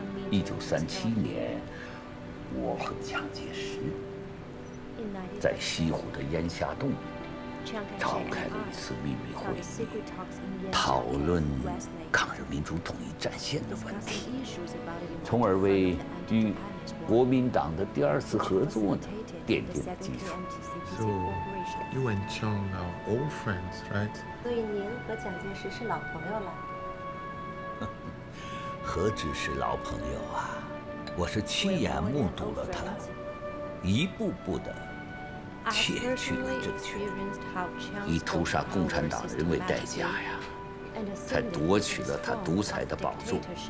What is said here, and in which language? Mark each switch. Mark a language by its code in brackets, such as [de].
[zh] 1937年，我和蒋介石在西湖的烟霞洞召开了一次秘密会议，讨论抗日民主统一战线的问题，从而为与国民党的第二次合作呢奠定了基础。 [en] So you and Chiang are old friends, right? [zh] 所以您和蒋介石是老朋友了。何止是老朋友啊，我是亲眼目睹了他一步步的窃取了政权，以屠杀共产党人为代价呀，才夺取了他独裁的宝座。